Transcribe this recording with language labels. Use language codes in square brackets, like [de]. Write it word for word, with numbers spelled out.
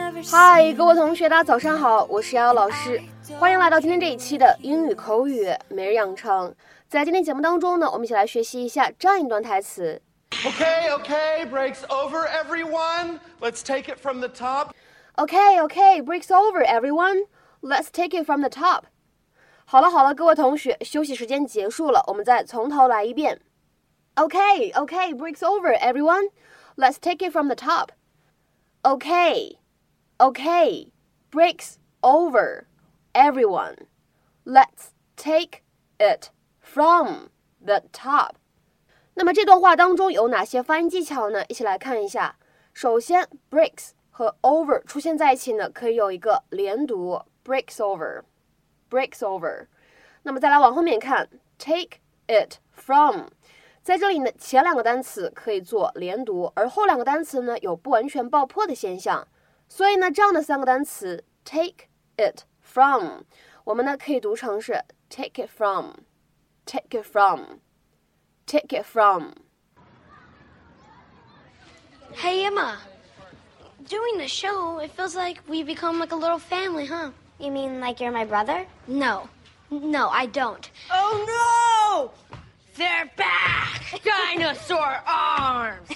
[zh] 嗨，各位同学，大家早上好，我是瑶瑶老师，欢迎来到今天这一期的英语口语每日养成。在今天节目当中呢，我们一起来学习一下这样一段台词。 [en] Okay, okay, breaks over everyone. Let's take it from the top. Okay, okay, breaks over everyone. Let's take it from the top. [zh] 好了好了，各位同学，休息时间结束了，我们再从头来一遍。 [en] Okay, okay, breaks over everyone. Let's take it from the top. Okay, okay, breaks over everyone. Let's take it from the top. [zh] 那么这段话当中有哪些发音技巧呢？一起来看一下。首先 breaks 和 over 出现在一起呢，可以有一个连读 [en] breaks over, breaks over. [zh] 那么再来往后面看 take it from. 在这里呢，前两个单词可以做连读，而后两个单词呢有不完全爆破的现象，所以呢，这样的三个单词 take it from， 我们呢可以读成是 [en] take it from， take it from， take it from。 Hey Emma, doing the show, it feels like we've become like a little family, huh? You mean like you're my brother? No, no, I don't. Oh no! They're back! Dinosaur arms!